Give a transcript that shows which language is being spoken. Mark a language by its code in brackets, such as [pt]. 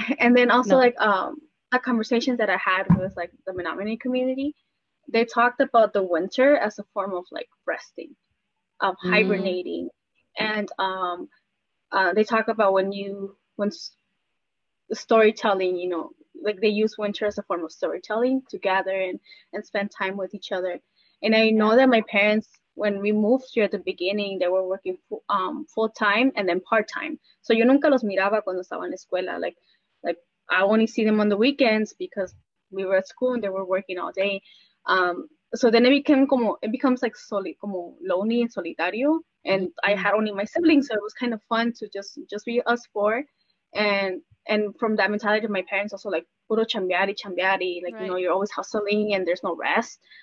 [en] And then also, no, like, a conversation that I had with like the Menominee community, they talked about the winter as a form of like resting, of hibernating, and they talk about when storytelling, you know, like they use winter as a form of storytelling to gather and spend time with each other. And I know that my parents, when we moved here at the beginning, they were working full time and then part time. So [es] yo nunca los miraba cuando estaba en la escuela. [en] Like I only see them on the weekends because we were at school and they were working all day. So then it becomes like [es] como [en] lonely and [es] solitario. [en] And I had only my siblings, so it was kind of fun to just be us four. And from that mentality, my parents also like [es] puro chambiari, [en] like right. You know, you're always hustling and there's no rest.